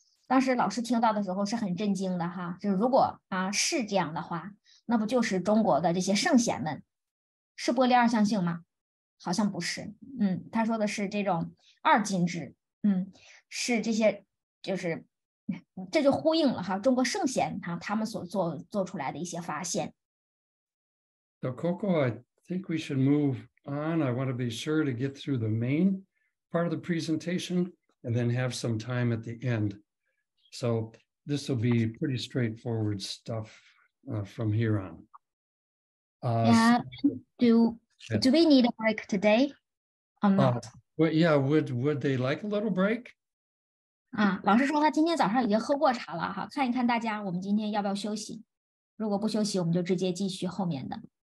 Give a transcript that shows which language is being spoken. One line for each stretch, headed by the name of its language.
Chinese: 当时老师听到的时候是很震惊的哈，就是如果是这样的话，那不就是中国的这些圣贤们是波粒二象性吗？好像不是，他说的是这种二进制，是这些就是这就呼应了哈，中国圣贤他们所做出来的一些发现。
English: So Coco, I think we should move on. I want to be sure to get through the main part of the presentation and then have some time at the end. So this will be pretty straightforward stuff from here on. Do we need a break today or not? Would they like a little break?
Chinese: 老师说他今天早上已经喝过茶了哈，看一看大家我们今天要不要休息。如果不休息，我们就直接继续后面的。